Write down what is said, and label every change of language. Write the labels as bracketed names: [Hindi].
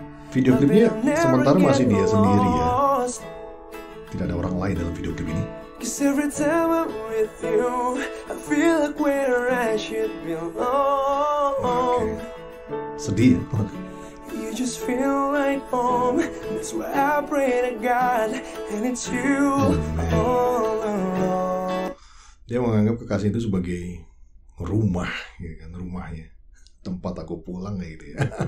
[Indonesian] video klipnya sementara masih dia sendiri ya. Tidak ada orang lain dalam video klip ini. [English] Cause every time I'm with you, I feel like where I should belong. [Indonesian] Sedih. [English] You just feel like home. That's why I pray to God, and it's you all alone. [Indonesian] Dia menganggap kekasih itu sebagai rumah, ya kan, rumahnya, tempat aku pulang kayak gitu ya.